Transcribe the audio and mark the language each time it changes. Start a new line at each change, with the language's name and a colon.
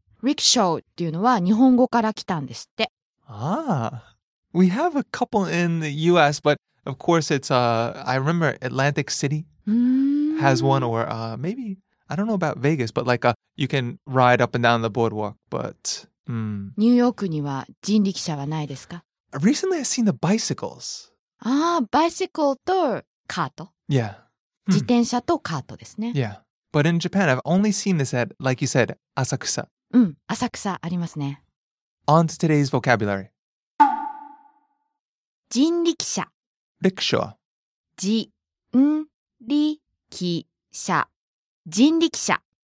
Japanese: Rickshaw っていうのは日本語から来たんですって。
English: Ah, we have a couple in the U.S., but of course it's, I remember Atlantic City has one, or maybe, I don't know about Vegas, but like you can ride up and down the boardwalk, but...
Japanese: ニューヨークには人力車はないですか?
English: Recently, I've seen the bicycles.
Japanese: Ah, bicycle とカート?
English: Yeah.
Japanese: 自転車とカートですね。
English: Yeah. But in Japan, I've only seen this at, like you said, Asakusa.
Japanese: Asakusa ありますね。
English: On to today's vocabulary.
Japanese: 人力車
English: Rickshaw.
Japanese: 人力車人力車